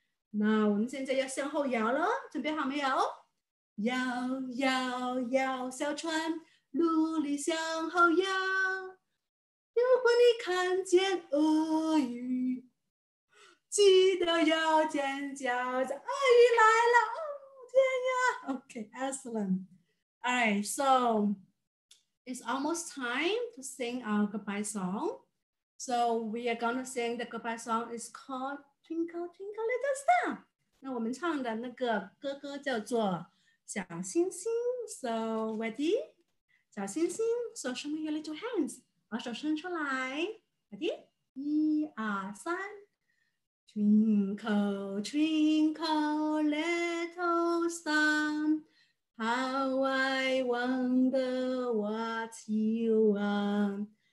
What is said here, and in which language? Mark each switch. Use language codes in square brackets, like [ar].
[zh] 那我们现在要向后摇了, 准备好没有?摇摇摇小船，努力向后摇。如果你看见鳄鱼，记得要尖叫，鳄鱼来了！哦天呀 ！ [en] Okay, excellent. All right, so it's almost time to sing our goodbye song. So we are gonna sing the goodbye song. It's called Twinkle Twinkle Little Star. [zh] 那我们唱的那个哥哥叫做。 [en] 小星星 ，so ready? 小星星 ，so show me your little hands. [zh] 把手伸出来 [en] ，ready? [zh] 一二三 [en] ，Twinkle, twinkle, little star, how I wonder what you are.